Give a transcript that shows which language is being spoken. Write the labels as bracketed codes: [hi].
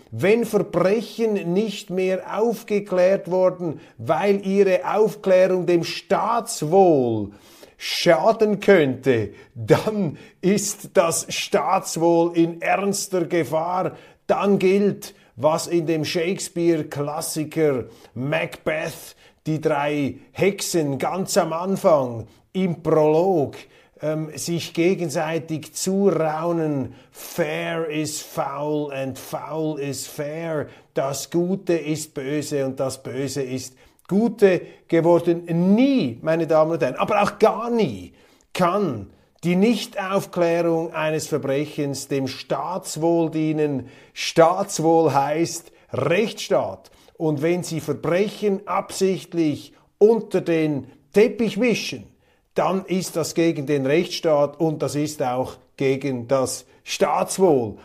[de] Wenn Verbrechen nicht mehr aufgeklärt wurden, weil ihre Aufklärung dem Staatswohl schaden könnte, dann ist das Staatswohl in ernster Gefahr. Dann gilt, was in dem Shakespeare-Klassiker Macbeth die drei Hexen ganz am Anfang im Prolog sich gegenseitig zuraunen. [en] Fair is foul and foul is fair. [de] Das Gute ist böse und das Böse ist Gute geworden. Nie, meine Damen und Herren, aber auch gar nie kann die Nichtaufklärung eines Verbrechens dem Staatswohl dienen. Staatswohl heißt Rechtsstaat. Und wenn Sie Verbrechen absichtlich unter den Teppich wischen, dann ist das gegen den Rechtsstaat und das ist auch gegen das Staatswohl.